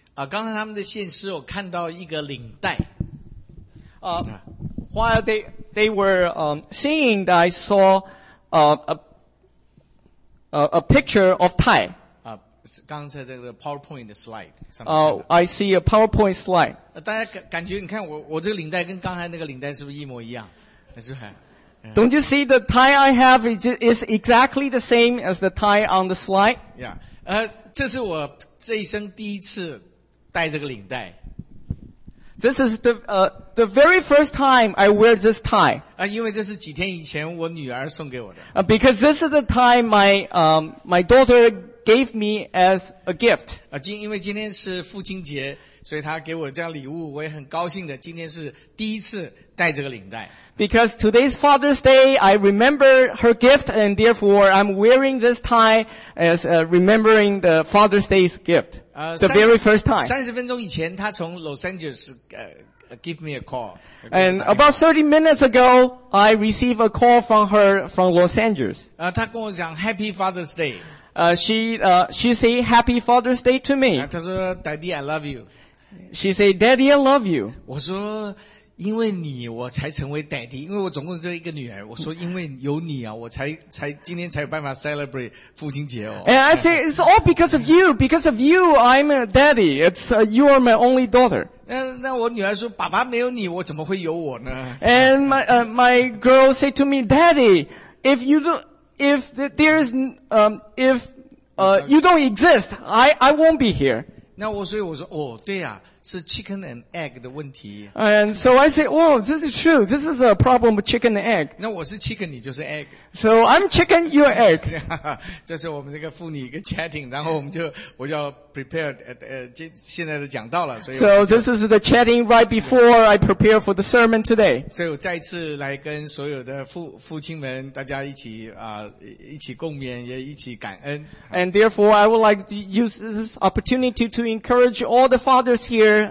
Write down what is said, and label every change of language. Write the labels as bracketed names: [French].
[Chinese] 刚才他们的现实我看到一个领带。 [English] While they were singing, I saw a picture of Thai. [Chinese] 刚才这个 PowerPoint 的 slide 上面。 [English] I see a PowerPoint slide. [Chinese] 大家感觉你看我这个领带跟刚才那个领带是不是一模一样？ [English] Don't you see the tie I have? It's exactly the same as the tie on the slide. Yeah. [Chinese] 这是我这一生第一次戴这个领带。 [English] This is the very first time I wear this tie. [Chinese] 因为这是几天以前我女儿送给我的。 [English] Because this is the tie my daughter gave me as a gift. [Chinese] 因为今天是父亲节，所以她给我这样礼物，我也很高兴的。今天是第一次戴这个领带。 [English] Because today's Father's Day, I remember her gift, and therefore I'm wearing this tie as remembering the Father's Day's gift. The very first time. [Chinese] 30分钟以前他从 Los Angeles, [English] give me a call. And about 30 minutes ago, I received a call from her from Los Angeles. [Chinese] 他跟我讲 [English] Happy Father's Day. She said Happy Father's Day to me. [Chinese] 他说 [English] Daddy, I love you. She said, Daddy, I love you. [Chinese] 我说因为你我才成为 daddy, 因为我总共只有一个女儿，我说因为有你啊，我才今天才有办法 celebrate 父亲节哦。 [English] And I say, it's all because of you, I'm a daddy, you are my only daughter. [Chinese] 那我女儿说爸爸没有你我怎么会有我呢？ [English] And my girl said to me, daddy, if you don't exist, I won't be here. [Chinese] 那我说哦对啊。是 [English] chicken and egg [Chinese] 的问题。 [English] And so I say, oh, this is true. This is a problem with chicken and egg. [Chinese] 那我是 chicken, 你就是 egg. [English] So I'm chicken, you're egg. [Chinese] 这是我们这个妇女一个 chatting, 然后我就 prepare, 现在的讲道了。 [English] So this is the chatting right before I prepare for the sermon today. [Chinese] 所以我再次来跟所有的父亲们大家一起一起共勉也一起感恩。 [English] And therefore, I would like to use this opportunity to encourage all the fathers here.